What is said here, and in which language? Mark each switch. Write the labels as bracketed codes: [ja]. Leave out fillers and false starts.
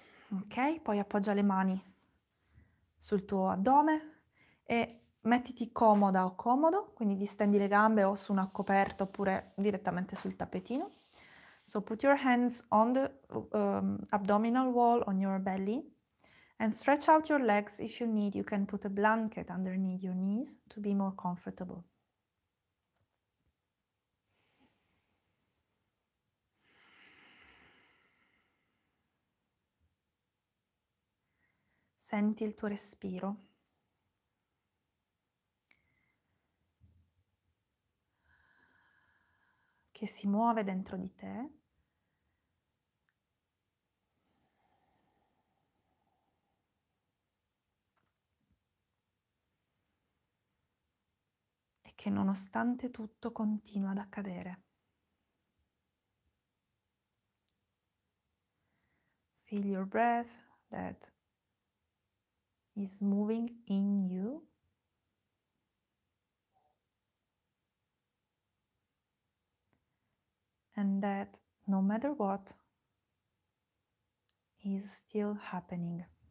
[it] Ok, poi appoggia le mani sul tuo addome e mettiti comoda o comodo, quindi distendi le gambe o su una coperta oppure direttamente sul tappetino. [en] So put your hands on the abdominal wall on your belly and stretch out your legs. If you need, you can put a blanket underneath your knees to be more comfortable. [it] Senti il tuo respiro. Che si muove dentro di te. Che nonostante tutto continua ad accadere. [en] Feel your breath that is moving in you. And that no matter what is still happening.